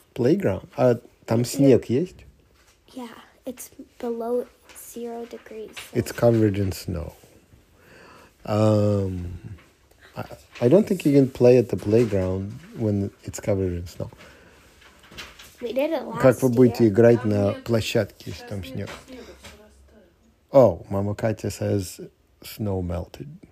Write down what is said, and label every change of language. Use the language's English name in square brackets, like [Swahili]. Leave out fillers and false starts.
[Russian] Playground. А там снег есть? [English] Yeah, it's below 0 degrees. So. It's covered in snow. I don't think you can play at the playground when it's covered in snow. We did it last year. [Russian] Как вы будете играть на площадке, если там снег? [English] Oh, Мама Катя says snow melted.